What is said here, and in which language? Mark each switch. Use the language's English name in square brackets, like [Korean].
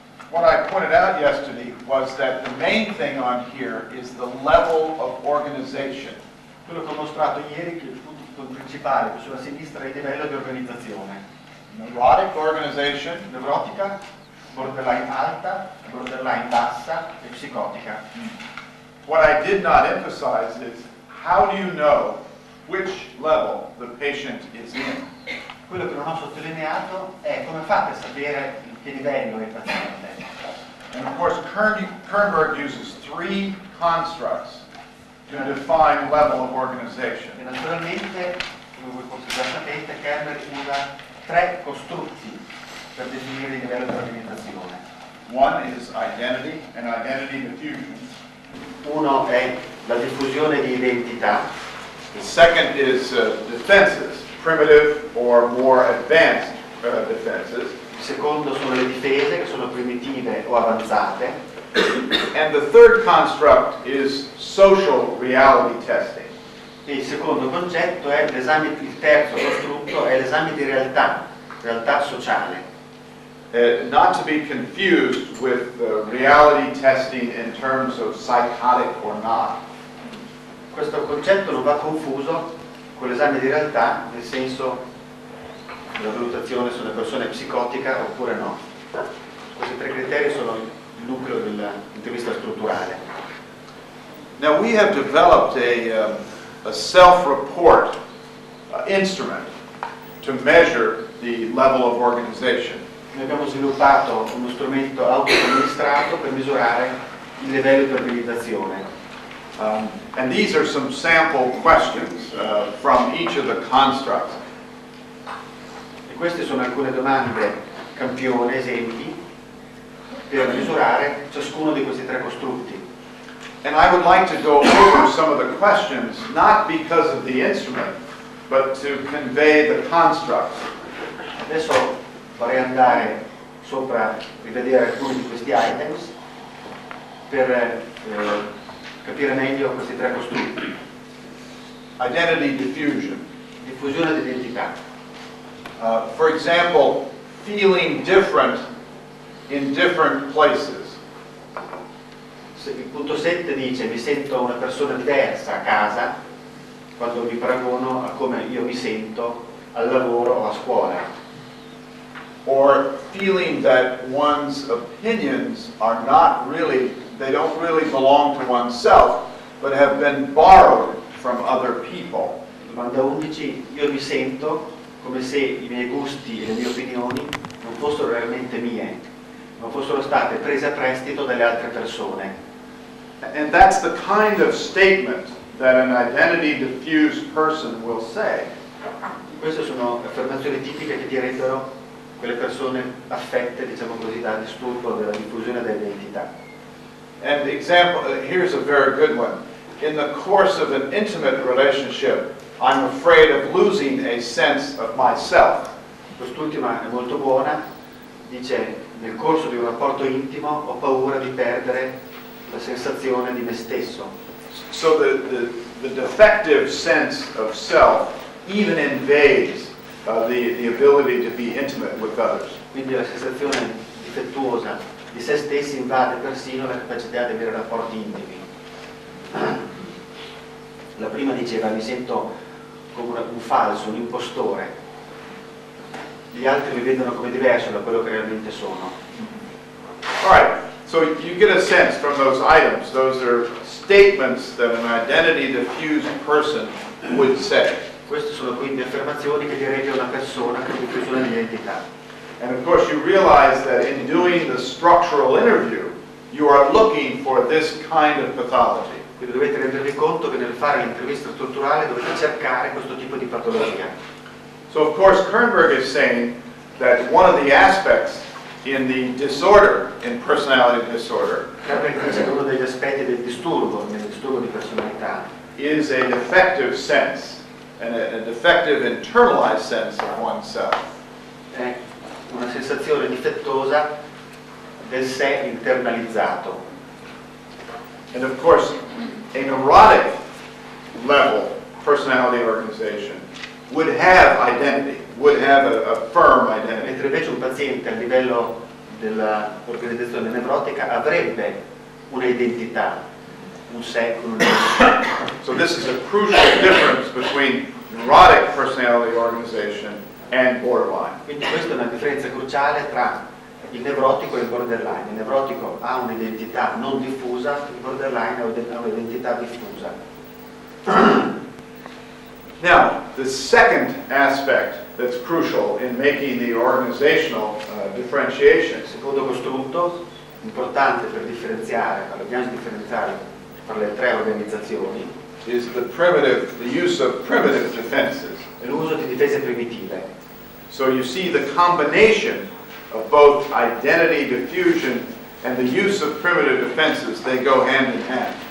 [English] What I pointed out yesterday was that the main thing on here is the level of organization. [Italian] Quello che ho mostrato ieri che è il punto principale, sulla sinistra, è il livello di organizzazione. [English] Neurotic organization, [Italian] nevrotica, borderline alta, borderline bassa e psicotica. [English] What I did not emphasize is how do you know which level the patient is in? [Italian] Quello che non ho sottolineato è come fate a sapere in che livello è il paziente. [English] And of course Kernberg uses three constructs to define level of organization. [Italian] E naturalmente, come voi forse già sapete, Kernberg usa tre costrutti per definire il livello di organizzazione. [English] One is identity and identity diffusion. [Italian] Uno è la diffusione di identità. [English] The second is defenses, primitive or more advanced defenses. [Italian] Il secondo sono le difese, che sono primitive o avanzate. [English] And the third construct is social reality testing. [Italian] E il secondo concetto è l'esame, il terzo costrutto è l'esame di realtà, realtà sociale. [English] Not to be confused with reality testing in terms of psychotic or not. [Italian] Questo concetto non va confuso con l'esame di realtà nel senso della valutazione se una persona è psicotica oppure no. Questi tre criteri sono il nucleo dell'intervista strutturale. [English] Now we have developed a self-report instrument to measure the level of organization. [Italian] Noi abbiamo sviluppato uno strumento auto-amministrato per misurare il livello di organizzazione. [English] And these are some sample questions from each of the constructs. [Italian] E queste sono alcune domande campione, esempi. per misurare ciascuno di questi tre costrutti. [English] And I would like to go over some of the questions, not because of the instrument, but to convey the construct. [Italian] Adesso vorrei andare sopra, rivedere alcuni di questi items per capire meglio questi tre costrutti. [English] Identity diffusion. [Italian] Diffusione d'identità. [English] For example, feeling different in different places. [Italian] Il punto 7 dice mi sento una persona diversa a casa quando mi paragono a come io mi sento al lavoro o a scuola. [English] Or feeling that one's opinions are not really, they don't really belong to oneself, but have been borrowed from other people. [Italian] Domanda 11, io mi sento come se i miei gusti e le mie opinioni non fossero realmente mie, ma fossero state prese a prestito dalle altre persone. [English] And that's the kind of statement that an identity diffused person will say. [Italian] Queste sono affermazioni tipiche che direbbero quelle persone affette, diciamo così, da disturbo della diffusione dell'identità. [English] And example, here's a very good one. In the course of an intimate relationship, I'm afraid of losing a sense of myself. [Italian] Quest'ultima è molto buona. Dice, nel corso di un rapporto intimo ho paura di perdere la sensazione di me stesso. [English] So the defective sense of self even invades the ability to be intimate with others. [Italian] Quindi la sensazione difettuosa di se stessi invade persino la capacità di avere rapporti intimi. La prima diceva mi sento come un falso, un impostore. Gli altri mi vedono come diverso da quello che realmente sono. [English] All right, so you get a sense from those items. Those are statements that an identity diffused person would say. [Italian] Queste sono quindi affermazioni che direbbe una persona con diffusione d'identità. [English] And of course you realize that in doing the structural interview you are looking for this kind of pathology. [Italian] Quindi dovete rendervi conto che nel fare l'intervista strutturale dovete cercare questo tipo di patologia. [English] So of course Kernberg is saying that one of the aspects in the disorder, in personality disorder, [Italian] uno degli aspetti del disturbo, nel disturbo di personalità, [English] is a defective sense, and a defective internalized sense of oneself. [Italian] Una sensazione difettosa del sé internalizzato. [English] And of course, a neurotic level personality organization would have identity, would have a firm identity. [Italian] Mentre invece un paziente a livello dell'organizzazione nevrotica avrebbe un'identità, un sé con un'identità. [English] So this is a crucial difference between neurotic personality organization and borderline. [Italian] Quindi questa è una differenza cruciale tra il nevrotico e il borderline. Il nevrotico ha un'identità non diffusa, il borderline ha un'identità diffusa. [English] Now, the second aspect that's crucial in making the organizational differentiation. [Italian] Secondo costrutto, importante per differenziare, per la diagnosi differenziale tra le tre organizzazioni, [English] is the primitive, the use of primitive defenses. [Italian] È l'uso di difese primitive. [English] So you see the combination of both identity diffusion and the use of primitive defenses, they go hand in hand.